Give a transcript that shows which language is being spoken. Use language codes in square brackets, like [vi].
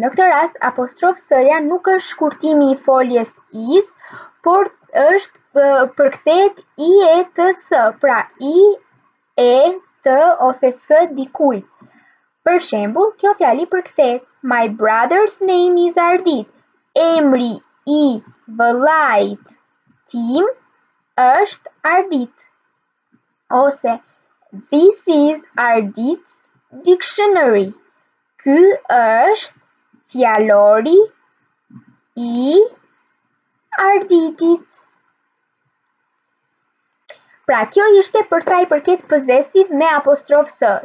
[sq] Në këtë rast, apostrof së-ja nuk është shkurtimi i foljes is, por është përkthehet i e të së, pra i e të ose së dikujt. Për shembull, kjo fjali përkthehet, [en] my brother's name is Ardit. [sq] Emri i vëllait tim është Ardit. [en] Ose this is Ardit's dictionary. [sq] Ky është fjalori i Arditit. Pra, kjo ishte përsa i përket possessive me apostrof së.